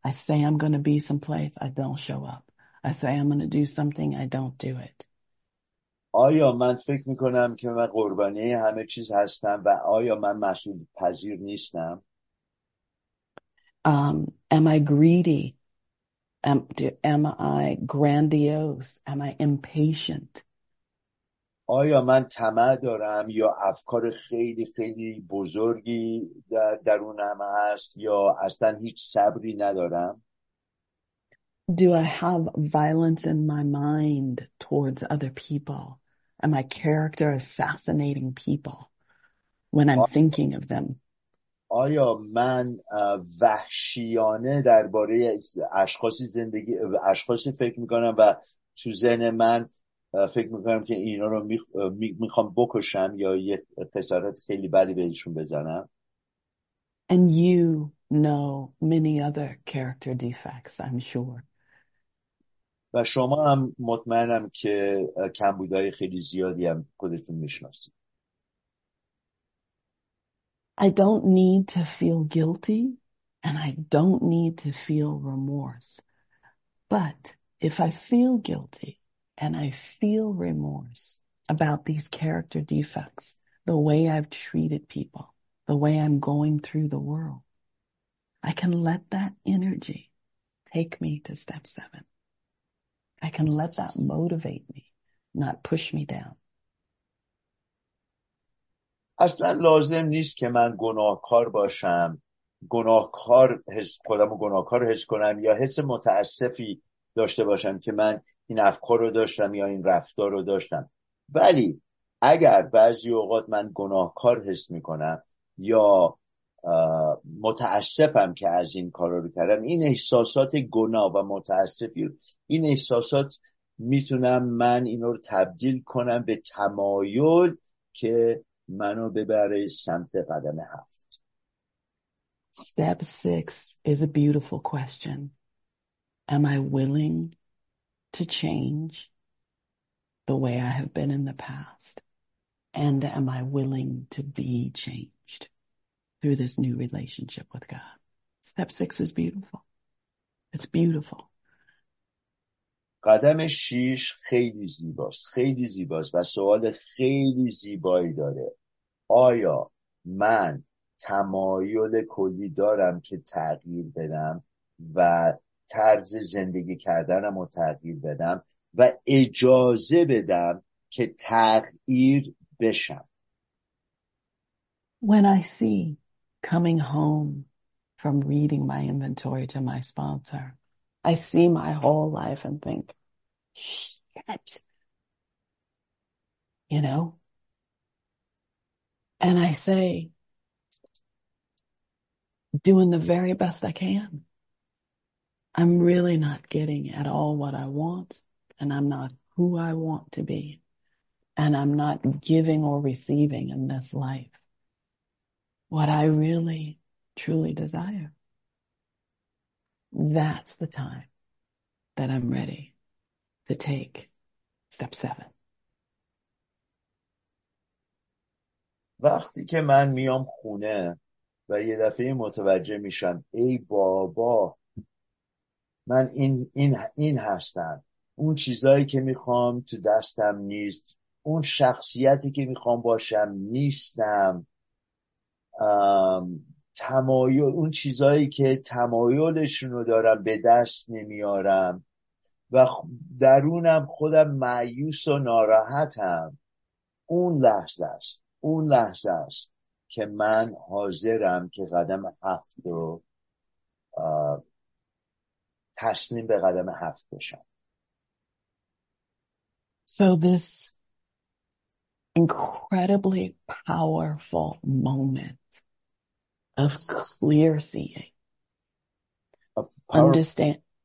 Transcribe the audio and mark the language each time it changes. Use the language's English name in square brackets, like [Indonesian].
[English] I say I'm going to be someplace, I don't show up. I say I'm going to do something, I don't do it. [Persian] آیا من فکر می کنم که من قربانی همه چیز هستم و آیا من مسئول پذیر نیستم؟ [English] Am I greedy? Am I grandiose? Am I impatient? [Persian] آیا من طمع دارم یا افکار خیلی خیلی بزرگی در درونم هست یا اصلا هیچ صبری ندارم؟ [English] Do I have violence in my mind towards other people? Am I character assassinating people when I'm thinking of them? [Persian] آیا من وحشیانه درباره اشخاصی زندگی اشخاصی فکر میکنم و تو ذهن من فکر میکنم که اینا رو میخوام بکشم یا یه خسارت خیلی بدی بهشون بزنم؟ [English] And you know many other character defects, I'm sure. [Persian] و شما هم مطمئنم که کمبودهای خیلی زیادی هم خودتون میشناسید. [English] I don't need to feel guilty and I don't need to feel remorse. But if I feel guilty and I feel remorse about these character defects, the way I've treated people, the way I'm going through the world, I can let that energy take me to step seven. I can let that motivate me, not push me down. [Persian] اصلا لازم نیست که من گناهکار باشم گناهکار حس خودم و گناهکار حس کنم یا حس متاسفی داشته باشم که من این افکار رو داشتم یا این رفتار رو داشتم ولی اگر بعضی اوقات من گناهکار حس می کنم یا متاسفم که از این کار رو کردم این احساسات گناه و متاسفی این احساسات میتونم من این رو تبدیل کنم به تمایل که منو ببره سمت قدم هفت. [English] Step six is a beautiful question. Am I willing to change the way I have been in the past? And am I willing to be changed through this new relationship with God? Step six is beautiful. It's beautiful. [Persian] قدم شیش خیلی زیباست. خیلی زیباست و سوال خیلی زیبایی داره. آیا من تمایل کلی دارم که تغییر بدم و طرز زندگی کردنم رو تغییر بدم و اجازه بدم که تغییر بشم؟ [English] When I see coming home from reading my inventory to my sponsor, I see my whole life and think, shit, you know? And I say, doing the very best I can. I'm really not getting at all what I want, and I'm not who I want to be, and I'm not giving or receiving in this life what I really, truly desire. That's the time that I'm ready to take step seven. [Persian] وقتی که من میام خونه و یه دفعه متوجه میشم ای بابا من این هستم اون چیزایی که میخوام تو دستم نیست اون شخصیتی که میخوام باشم نیستم تمایل اون چیزایی که تمایلشون رو دارم به دست نمیارم و درونم خودم مایوس و ناراحتم اون لحظه است اون لحظه است که من حاضرم که قدم هفت رو تسلیم به قدم هفت بشم. [English] So this incredibly powerful moment of clear seeing, understand,